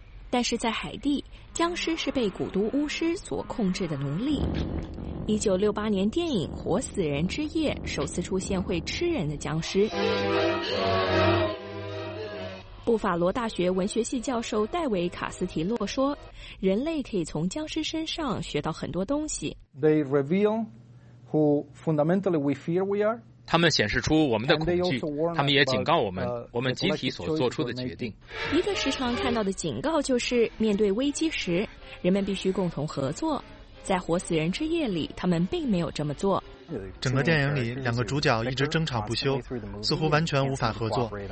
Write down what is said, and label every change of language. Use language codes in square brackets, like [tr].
[zh] 但是在海地，僵尸是被古都巫师所控制的奴隶。 1968年电影《活死人之夜》首次出现会吃人的僵尸。布法罗大学文学系教授戴维·卡斯提洛说，人类可以从僵尸身上学到很多东西。 [en] They reveal who fundamentally we fear we are. [zh] 他们显示出我们的恐惧，他们也警告我们，我们集体所做出的决定。一个时常看到的警告就是，面对危机时，人们必须共同合作。在《活死人之夜》里，他们并没有这么做。整个电影里，两个主角一直争吵不休，似乎完全无法合作。